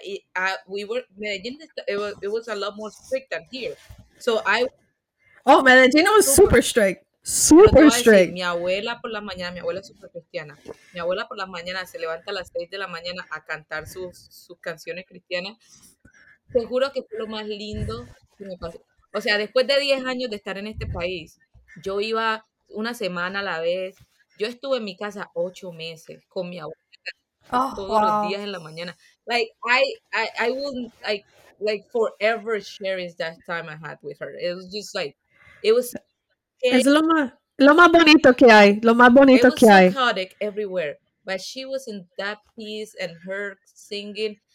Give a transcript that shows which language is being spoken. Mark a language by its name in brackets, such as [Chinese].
[English] Y Medellín, it was a lot more strict than here. So I... Oh, Medellín was super strict. Super strict. [Spanish] Mi abuela por la mañana, mi abuela es super cristiana. Mi abuela por la mañana se levanta a las 6 de la mañana a cantar sus canciones cristianas. Te juro que fue lo más lindo que me pasó. O sea, después de 10 años de estar en este país, yo iba una semana a la vez. Yo estuve en mi casa 8 meses con mi abuela los días en la mañana. [English] Like, I wouldn't, like forever cherish that time I had with her. It was just like, it was... [Spanish] Es lo más bonito que hay. Lo más bonito que hay. [English] It was so chaotic everywhere. But she was in that piece and her singing.